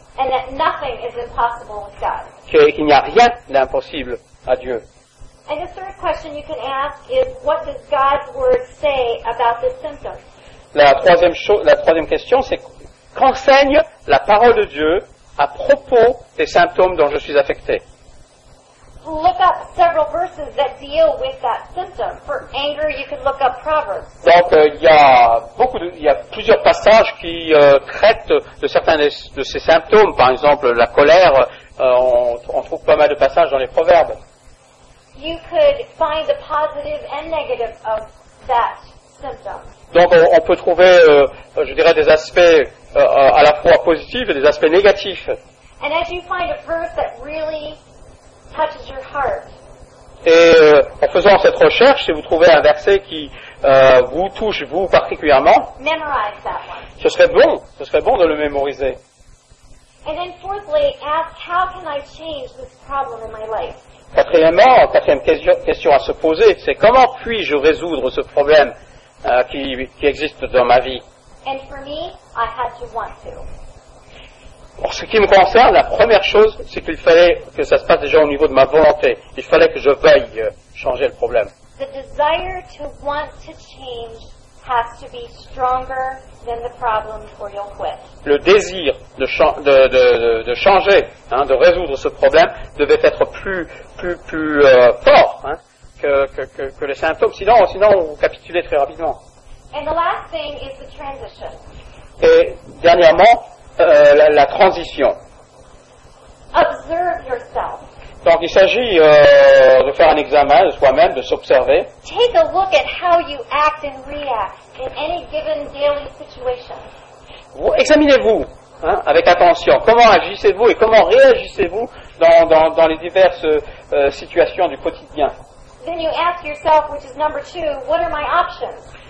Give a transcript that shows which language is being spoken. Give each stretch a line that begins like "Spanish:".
English: And that nothing is impossible with God.
French: Qu'il n'y a rien d'impossible à Dieu.
English: And the third question you can ask is, what does God's word say about this symptom?
French: La troisième question, c'est qu'enseigne la parole de Dieu à propos des symptômes dont je suis affecté.
English: Look up several verses that deal with that symptom. For anger, you can look up Proverbs.
French: Donc, il y a plusieurs passages qui traitent de certains de ces symptômes. Par exemple, la colère, on trouve pas mal de passages dans les Proverbes.
English: You could find the positive and negative of that symptom.
French: Donc, on peut trouver, je dirais, des aspects à la fois positifs et des aspects négatifs.
English: And as you find a verse that really touches your heart.
French: Et en faisant cette recherche, si vous trouvez un verset qui vous touche, vous particulièrement,
English: memorize that one.
French: Ce serait bon de le mémoriser.
English: And then fourthly, ask, how can I change this problem in my life?
French: Quatrième question à se poser, c'est comment puis-je résoudre ce problème qui existe dans ma vie?
English: And for me, I had to want to.
French: Pour ce qui me concerne, la première chose, c'est qu'il fallait que ça se passe déjà au niveau de ma volonté. Il fallait que je veuille changer le problème.
English: The desire to want to change has to be stronger than the problem or you'll quit.
French: Le désir de changer, hein, de résoudre ce problème, devait être plus fort, hein, que les symptômes. Sinon, on capitulait très rapidement.
English: And the last thing is the transition.
French: Et dernièrement, la transition.
English: Observe yourself.
French: Donc, il s'agit de faire un examen de soi-même, de s'observer.
English: Take a look at how you act and react in any given daily situation.
French: Examinez-vous, hein, avec attention. Comment agissez-vous et comment réagissez-vous dans les diverses situations du quotidien?
English: Then you ask yourself, which is number two, what are my options?